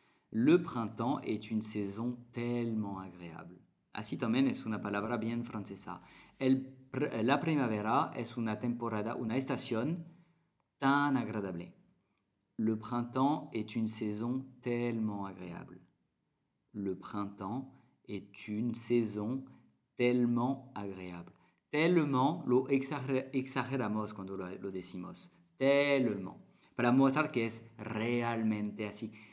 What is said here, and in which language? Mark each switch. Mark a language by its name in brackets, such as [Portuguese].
[French] Le printemps est une saison tellement agréable. [Spanish] Así también es una palabra bien francesa. La primavera es una temporada, una estación tan agradable. [French] Le printemps est une saison tellement agréable. Le printemps est une saison tellement agréable. [Spanish] Tellement, lo exageramos cuando lo decimos. Tellement. Para mostrar que es realmente así.